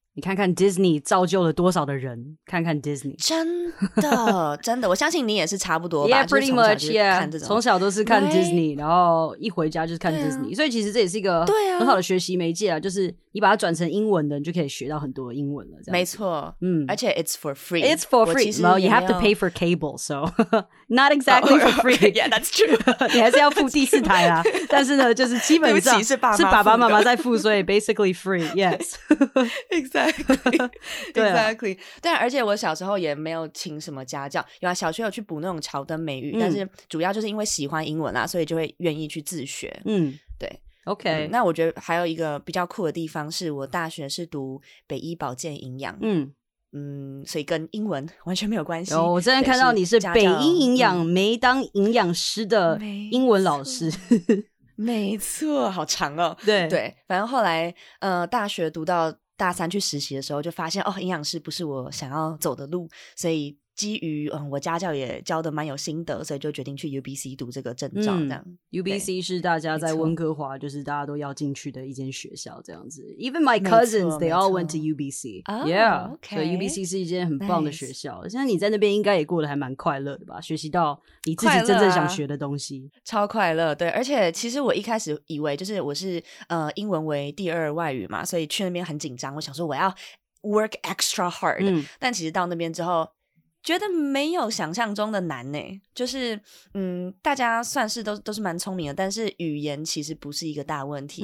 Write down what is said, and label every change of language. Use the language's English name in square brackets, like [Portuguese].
[Chinese] 你看看 Disney 造就了多少的人，看看 Disney, 真的真的，我相信你也是差不多吧。 [English] Yeah, pretty much, yeah, [Chinese] 从小都是看 Disney, 然后一回家就是看 Disney,、啊、所以其实这也是一个很好的学习媒介啊，就是你把它转成英文的，你就可以学到很多英文了。没错，而且 [English] it's for free, it's for free, well, you have to pay for cable, so not exactly for free. Yeah, that's true. [Chinese] 你还是要付第四台啊，但是呢，就是基本上是爸爸妈妈在付，所以 [English] basically free, yes. exactly. [Chinese] exactly, 对，而且我小时候也没有请什么家教，有啊，小学有去补那种桥灯美语、嗯、但是主要就是因为喜欢英文啦，所以就会愿意去自学。嗯，对， OK、嗯、那我觉得还有一个比较酷的地方是我大学是读北医保健营养。所以跟英文完全没有关系。我之前看到你是北医营养没当营养师的英文老师。没错，好长哦。对对，反正后来大学读到大三去实习的时候就发现，哦，营养师不是我想要走的路，所以基于我家教也教的蛮有心得，所以就决定去 UBC 读这个证照这样。 UBC 是大家在温哥华就是大家都要进去的一间学校这样子。 [English] Even my cousins they all went to UBC、 oh, yeah、 okay. [Chinese] 所以 UBC 是一间很棒的学校、nice. 像你在那边应该也过得还蛮快乐的吧，学习到你自己真正想学的东西。快乐、啊、超快乐。对，而且其实我一开始以为就是我是英文为第二外语嘛，所以去那边很紧张，我想说我要 [English] work extra hard、 [Chinese] 嗯、但其实到那边之后觉得没有想象中的难呢，就是大家算是都是蛮聪明的，但是语言其实不是一个大问题。